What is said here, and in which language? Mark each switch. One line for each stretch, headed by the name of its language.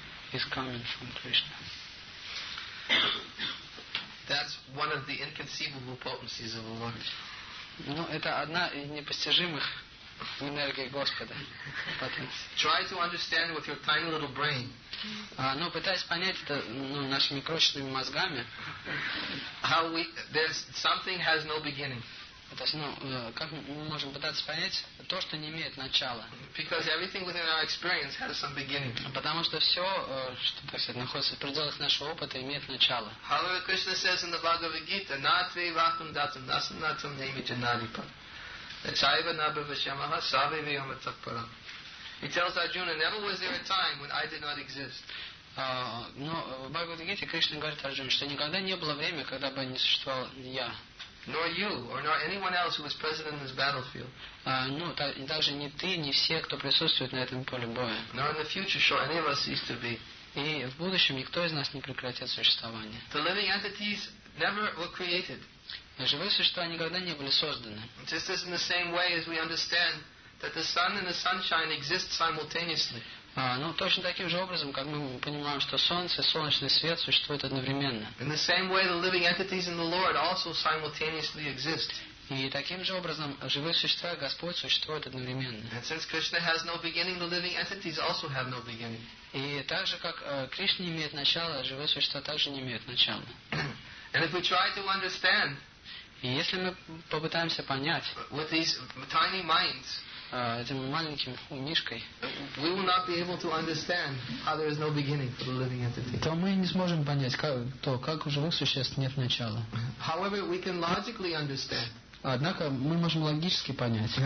English: He's coming from Krishna. That's one of the inconceivable potencies of the Lord.
Russian: Ну, это одна из непостижимых энергий Господа.
English: Try to understand with your tiny little brain.
Russian: Пытаясь понять это, нашими крошечными мозгами.
English: How we there's something has no beginning.
Russian: То есть, как мы можем пытаться понять то, что не имеет начала?
English: Because everything within our experience has some beginning.
Russian: Потому что все, что так сказать, находится в пределах нашего опыта, имеет начало.
English: However, Krishna says in the Bhagavad Gita, Natvi Vatum Datum Dasam Natum Nimitya Nadipa. Chaiva Nabhavashyamaha Savi Vyamatakpara. He tells Arjuna, never was there a time when I did not exist.
Russian: В Бхагавад-гите Кришна говорит Арджуне, что никогда не было времени, когда бы не существовал я.
English: Nor you, or nor anyone else who was present in this battlefield.
Russian: Даже не ты, не все, кто присутствует на этом поле боя.
English: Nor in the future shall any of us cease to be.
Russian: И в будущем никто из нас не прекратит существование.
English: The living entities never were created.
Russian: Живые существа никогда не были созданы.
English: Just as in the same way as we understand that the sun and the sunshine exist simultaneously.
Russian: Точно таким же образом, как мы понимаем, что солнце и солнечный свет существуют одновременно.
English: In the same way, the living entities in the Lord also simultaneously exist.
Russian: И таким же образом живые существа и Господь существуют одновременно.
English: And since Krishna has no beginning, the living entities also have no beginning.
Russian: И так же, как Кришна не имеет начала, живые существа также не имеют начала.
English: And if we try to understand,
Russian: и если мы попытаемся понять,
English: with these tiny minds,
Russian: этим маленьким умишкой,
English: we will not be able to understand how there is no beginning for the living entity.
Russian: То мы не сможем понять, как у живых существ нет начала.
English: However, we can logically understand.
Russian: Однако мы можем логически понять.